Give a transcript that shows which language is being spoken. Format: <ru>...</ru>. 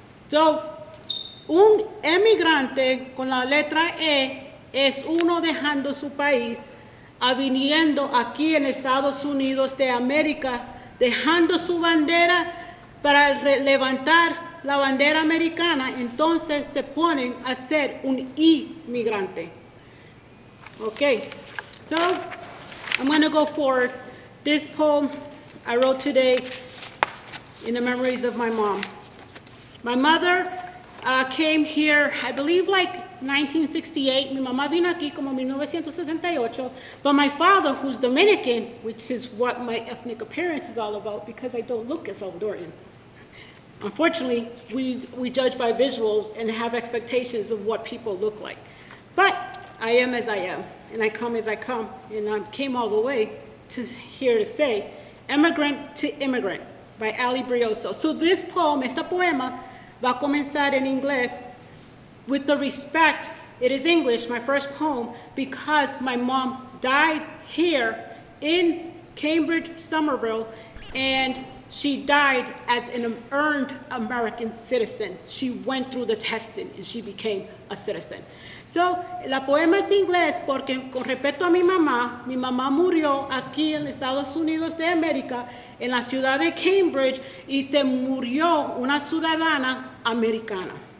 <es>So, un emigrante con la letra E es uno dejando su país, viniendo aquí en Estados Unidos de América, dejando su bandera para levantar la bandera americana, entonces se ponen a ser un inmigrante.</es> <en>Okay, so I'm gonna go forward. This poem I wrote today in the memories of my mom. My mother came here, I believe like 1968.</en> <es>Mi mamá vino aquí como 1968.</es> <en>But my father, who's Dominican, which is what my ethnic appearance is all about, because I don't look as Salvadorian. Unfortunately, we judge by visuals and have expectations of what people look like. But I am as I am, and I come as I come, and I came all the way to here to say, immigrant to immigrant. By Ali Brioso. So this poem,</en> <es>esta poema, va a comenzar en inglés.</es> <en>With the respect, it is English, my first poem, because my mom died here in Cambridge, Somerville, and she died as an earned American citizen. She went through the testing and she became a citizen.</en> <es>So, la poema es inglés porque, con respeto a mi mamá murió aquí en Estados Unidos de América, en la ciudad de Cambridge, y se murió una ciudadana americana.</es>